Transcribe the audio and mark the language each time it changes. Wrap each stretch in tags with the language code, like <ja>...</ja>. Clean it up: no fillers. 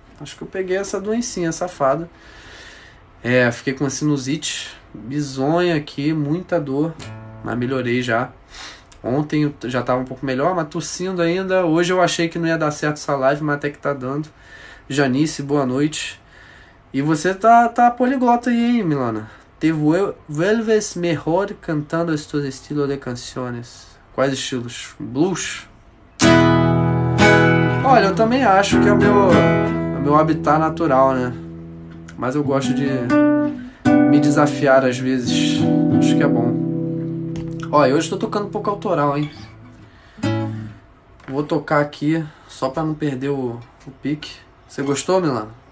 <pt>Acho que eu peguei essa doencinha safada. É, fiquei com sinusite. Bizonha aqui, muita dor. Mas melhorei já. Ontem já tava um pouco melhor, mas tossindo ainda. Hoje eu achei que não ia dar certo essa live, mas até que tá dando. Janice, boa noite. E você tá poliglota aí, hein, Milana?</pt> <es>Te vuelves mejor cantando estos estilos de canciones.</es> <pt>Quais estilos? Blues? Olha, eu também acho que é o meu habitat natural, né? Mas eu gosto de me desafiar às vezes. Acho que é bom. Olha, hoje tô tocando um pouco autoral, hein? Vou tocar aqui só pra não perder o pique. Você gostou, Milana?</pt>